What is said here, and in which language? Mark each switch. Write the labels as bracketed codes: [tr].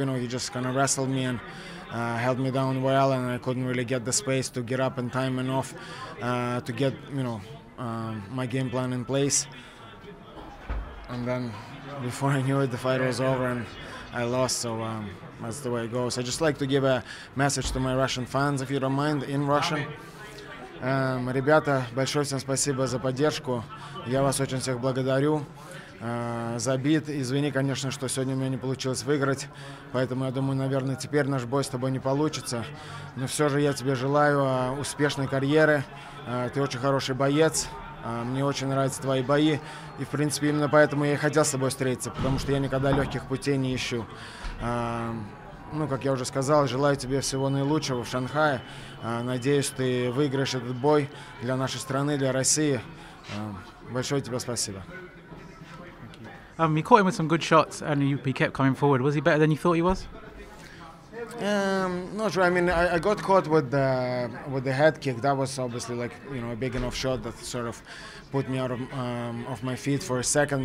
[en] You know, he just kind of wrestled me and held me down well, and I couldn't really get the space to get up in time enough to get, you know, my game plan in place. And then before I knew it, the fight was over and I lost, so that's the way it goes. I just like to give a message to my Russian fans, if you don't mind, in Russian. [ru] Ребята, большое всем спасибо за поддержку. Я вас очень всех благодарю. Забит. Извини, конечно, что сегодня у меня не получилось выиграть. Поэтому я думаю, наверное, теперь наш бой с тобой не получится. Но все же я тебе желаю успешной карьеры. Ты очень хороший боец. Мне очень нравятся твои бои. И, в принципе, именно поэтому я и хотел с тобой встретиться, потому что я никогда легких путей не ищу. Ну, как я уже сказал, желаю тебе всего наилучшего в Шанхае. Надеюсь, ты выиграешь этот бой для нашей страны, для России. Большое тебе спасибо. [en] He caught him with some good shots, and he kept coming forward. Was he better than you thought he was? Not sure. I mean, I got caught with the head kick. That was obviously, like, you know, a big enough shot that sort of put me out of my feet for a second.